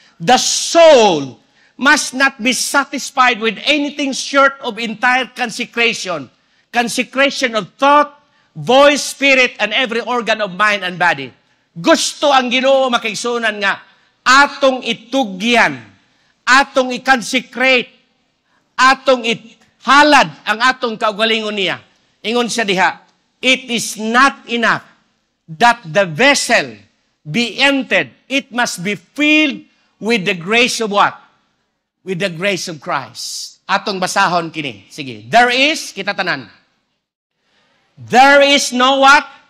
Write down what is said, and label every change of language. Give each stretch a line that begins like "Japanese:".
English: The soul must not be satisfied with anything short of entire consecration. Consecration of thought, voice, spirit, and every organ of mind and body.
Cebuano: Gusto ang Ginoo makaigsoonan nga atong itugyan, atong i-consecrate, atong ihalad ang atong kaugalingon niya. Ingon siya diha,
English: it is not enough that the vessel be emptied. It must be filled with the grace of what? With the grace of Christ.
Cebuano: Atong basahon kini. Sige. There is, kita tanan.
English: There is no what?